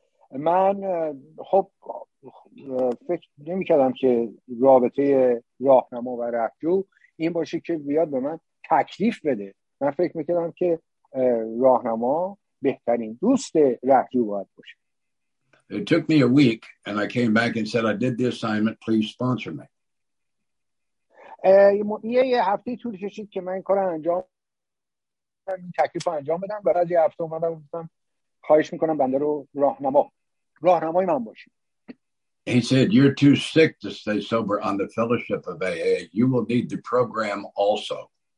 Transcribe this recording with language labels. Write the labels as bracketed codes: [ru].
[fa] من خب فکر نمی‌کردم که رابطه راهنما و رفیق این باشه که بیاد به من تکلیف بده. من فکر می‌کردم که راهنما بهترین دوست رفیق باید باشه. [en] It took me a week and I came back and said I did the assignment, please sponsor me. [fa] یه هفته طول کشید که من کارو انجام این تکلیف رو انجام بدم و بعد یه هفته اومدم گفتم خواهش میکنم بنده رو راهنمای من باشید. [en] He said you're too sick to stay sober on the fellowship of AA, you will need the program also.